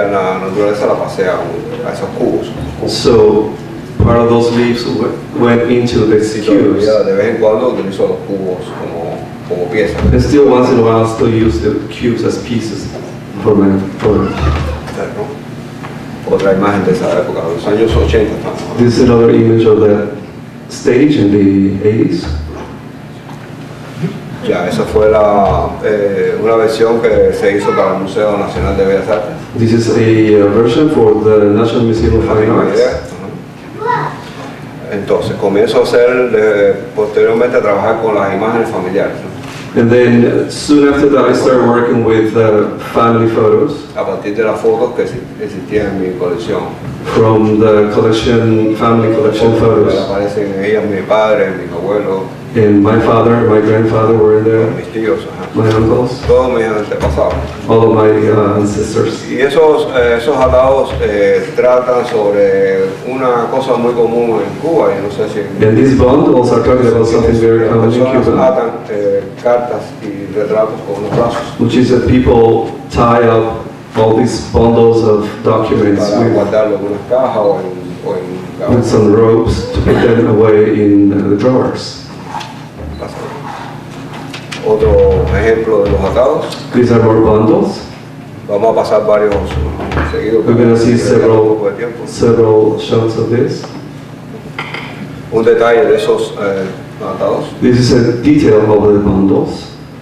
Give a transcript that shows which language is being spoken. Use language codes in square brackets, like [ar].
[en] So part of those leaves went into the cubes. And still once in a while still use the cubes as pieces for my photo. [es] Otra imagen de esa época, los años 80. ¿No? [en] This is another image of the stage in the 80s. [es] Ya, esa fue la una versión que se hizo para el Museo Nacional de Bellas Artes. [en] This is a version for the National Museum of Fine Arts. [es] Entonces, comienzo a hacer posteriormente a trabajar con las imágenes familiares. ¿No? [en] And then soon after that, I started working with family photos. [es] A partir de las fotos que existían en mi colección. [en] From the collection, family collection photos. [es] Aparecen ellas, mi padre, mi abuelo. [en] And my father, my grandfather were in there. [es] Mis tíos, [en] my uncles. [es] Todos mis antepasados. [en] All of my ancestors. [es] Y esos esos atados tratan sobre una cosa muy común en Cuba. Y no sé si. [en] And these bundles are talking about something very common in Cuba. [es] Atan cartas y retratos con los brazos. [en] Which is that people tie up all these bundles of documents with. [es] Para guardarlo en una caja o en [en] with some ropes to put them away in the drawers. [es] Otro ejemplo de los atados. [en] These are more bundles. [es] Vamos a pasar varios seguidos. [en] We're going to see several, several shots of this. [es] Un detalle de esos atados. [en] This is a detail of the bundles.